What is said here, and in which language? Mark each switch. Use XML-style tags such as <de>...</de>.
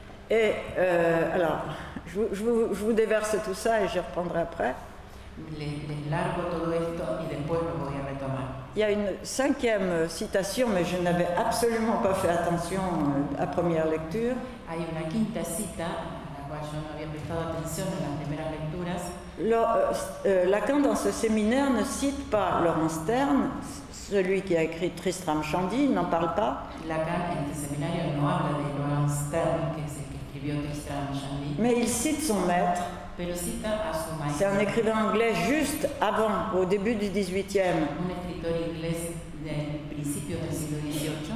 <fr>Et alors, je vous déverse tout ça et j'y reprendrai après.</fr> <es>Le largo todo esto y después lo voy a retomar.</es> <fr>Il y a une cinquième citation, mais je n'avais absolument pas fait attention à première lecture.</fr> <es>Hay una quinta cita, la cual yo no había prestado atención en las primeras lecturas.</es> <fr>Lacan dans ce séminaire ne cite pas Laurent Stern, celui qui a écrit Tristram Shandy, il n'en parle pas.</fr> <es>Lacan en este seminario no habla de Laurent Stern, que es el que escribió Tristram Shandy.</es> <fr>Mais il cite son maître.</fr> <es>Pero cita a su maestro.</es> <fr>C'est un écrivain anglais juste avant, au début du 18e.</fr> <es>Un escritor inglés del principio del siglo 18.</es>